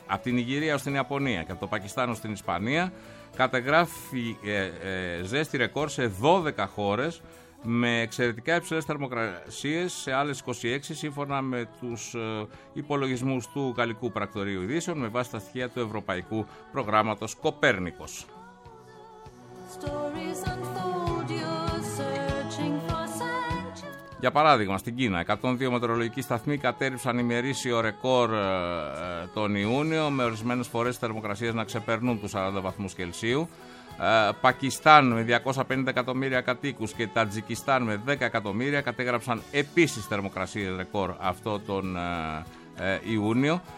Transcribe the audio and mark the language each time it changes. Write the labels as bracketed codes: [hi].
[el] Από την Ιγυρία ως την Ιαπωνία και από το Πακιστάν ως την Ισπανία, καταγράφει ζέστη ρεκόρ σε 12 χώρες με εξαιρετικά υψηλές θερμοκρασίες σε άλλες 26, σύμφωνα με τους υπολογισμούς του Γαλλικού Πρακτορείου Ειδήσεων με βάση τα στοιχεία του Ευρωπαϊκού Προγράμματος Κοπέρνικος. [en] Stories unfold, you're searching for sanctuary. [el] Για παράδειγμα, στην Κίνα, 102 μετεωρολογικοί σταθμοί κατέριψαν ημερήσιο ρεκόρ τον Ιούνιο, με ορισμένες φορές θερμοκρασίες να ξεπερνούν τους 40 βαθμούς Κελσίου. Πακιστάν με 250 εκατομμύρια κατοίκους και Τατζικιστάν με 10 εκατομμύρια κατέγραψαν επίσης θερμοκρασίες ρεκόρ αυτό τον Ιούνιο.